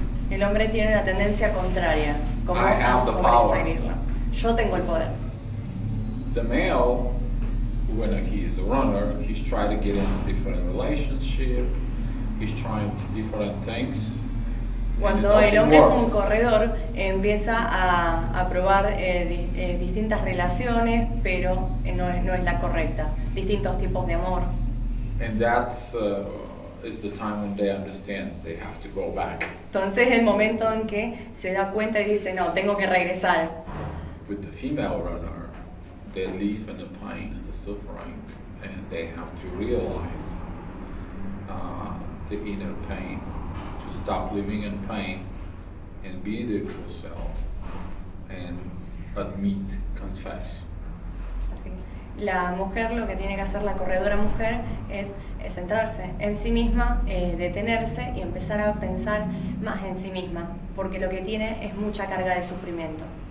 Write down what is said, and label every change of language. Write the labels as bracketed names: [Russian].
[Spanish] El hombre tiene una tendencia contraria, como a sobreseguirla. Yo tengo el poder. [English] The male, when he's the runner, he's trying to get into different relationship. He's trying to different things. [Spanish] Cuando el hombre es un corredor, empieza a probar distintas relaciones, pero no es la correcta. Distintos tipos de amor. [English] And that is the time when they understand they have to go back. [Spanish] Entonces es el momento en que se da cuenta y dice, no, tengo que regresar. [English] With the female runner, they live in the pain and the suffering, and they have to realize the inner pain. Stop living in pain and be the true self and admit, confess. [Spanish] Así. La mujer, lo que tiene que hacer la corredora mujer es centrarse en sí misma, detenerse y empezar a pensar más en sí misma, porque lo que tiene es mucha carga de sufrimiento.